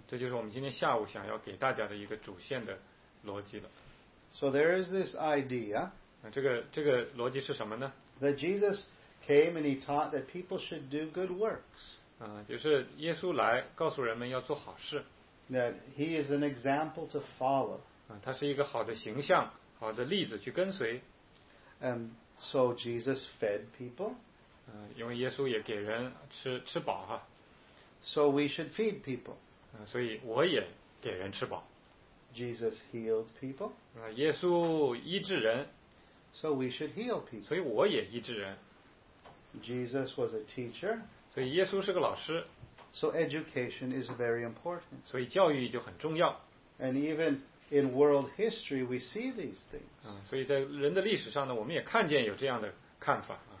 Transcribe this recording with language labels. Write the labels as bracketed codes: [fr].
[zh] 这就是我们今天下午想要给大家的一个主线的逻辑了。 [en] So there is this idea. [zh] 这个逻辑是什么呢？ [en] That Jesus came and he taught that people should do good works. [zh] 就是耶稣来告诉人们要做好事。 [en] That he is an example to follow. [zh] 他是一个好的形象，好的例子去跟随。 [en] And so Jesus fed people. [zh] 因为耶稣也给人吃饱哈。 [en] So we should feed people. [zh] 所以我也给人吃饱。 [en] Jesus healed people. [zh] 耶稣医治人。 [en] So we should heal people. [zh] 所以我也医治人。 [en] Jesus was a teacher. [zh] 所以耶稣是个老师。 [en] So education is very important. [zh] 所以教育就很重要。 [en] And even in world history, we see these things. [zh] 所以在人的历史上呢，我们也看见有这样的看法。